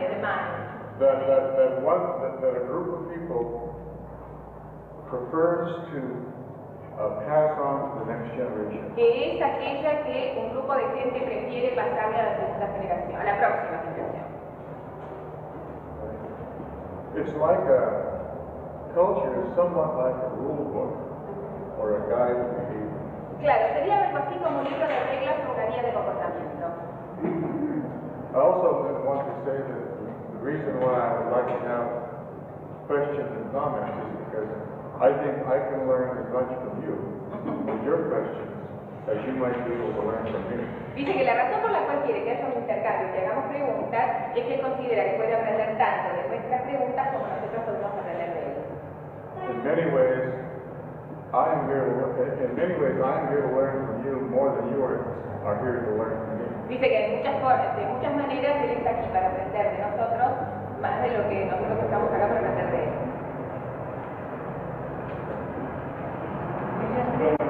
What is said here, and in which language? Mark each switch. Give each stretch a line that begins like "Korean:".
English: That a group of people prefers to pass on to the next generation.
Spanish: Que es aquella que un grupo de gente prefiere pasarle a la segunda generación, a la próxima generación.
English: It's like a culture, is somewhat like a rule book or a guide to behavior.
Spanish: Claro, sería algo así como un libro de reglas o una guía de comportamiento.
English: I also want to say that the reason why I would like to have questions and comments is because I think I can learn as much from you with your questions as you might be able to learn from me.
Spanish: Dice que la razón por la cual quiere que haya un intercambio y que hagamos preguntas es que considera que puede aprender tanto de nuestras preguntas como nosotros podemos aprender de él.
English: In many ways, I am here to learn from you more than you are here to learn from me.
Spanish: Dice que de muchas maneras él está aquí para aprender de nosotros más de lo que nosotros estamos acá para aprender de él.